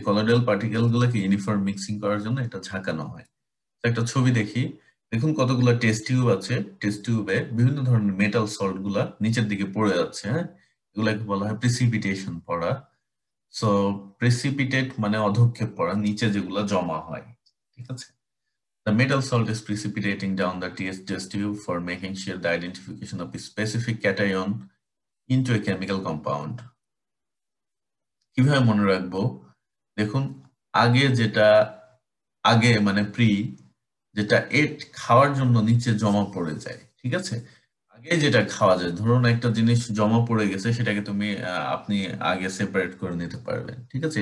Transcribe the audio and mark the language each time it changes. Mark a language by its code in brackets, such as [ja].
[bn] Colloidal particle গুলোকে uniform mixing করার জন্য এটা ঝাঁকানো হয়। একটা ছবি দেখি, দেখুন কতগুলো টেস্ট টিউব আছে, টেস্ট টিউবে বিভিন্ন ধরনের মেটাল সল্ট গুলা নিচের দিকে পড়ে যাচ্ছে। হ্যাঁ, এগুলাকে বলা হয় প্রেসিপিটেশন পড়া। সো প্রেসিপিটেট মানে অধঃক্ষেপ পড়া, নিচে যেগুলো জমা হয়, ঠিক আছে? [en] The metal salt is precipitating down the test tube for making sure the identification of a specific cation into a chemical compound. [bn] কিভাবে মনে রাখবো? দেখুন আগে যেটা, আগে মানে প্রি, যেটা এট খাওয়ার জন্য নিচে জমা পড়ে যায়, ঠিক আছে? আগে যেটা খাওয়া যায়, ধরুন একটা জিনিস জমা পড়ে গেছে, সেটাকে তুমি আপনি আগে সেপারেট করে নিতে পারবেন, ঠিক আছে?